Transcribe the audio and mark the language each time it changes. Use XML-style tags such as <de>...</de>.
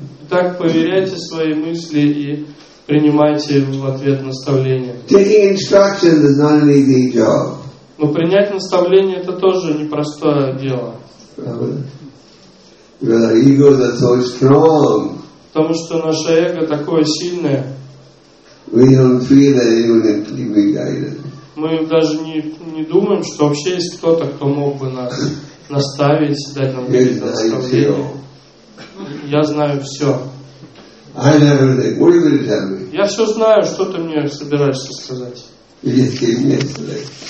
<ru>Так проверяйте свои мысли и принимайте в ответ наставления.</ru> <en>Taking instructions is not an easy job.</en> <ru>Но принять наставление это тоже непростое дело. Потому что наше эго такое сильное.</ru> <en>We don't feel that anyone can be guided.</en> <ru>Мы даже не думаем, что вообще есть кто-то, кто мог бы нас наставить, дать нам какие-то наставления. Я знаю все.</ru> <en>I know everything. What are you going to tell me?</en> <ru>Я все знаю, что ты мне собираешься сказать.</ru> <en>You just came yesterday.</en>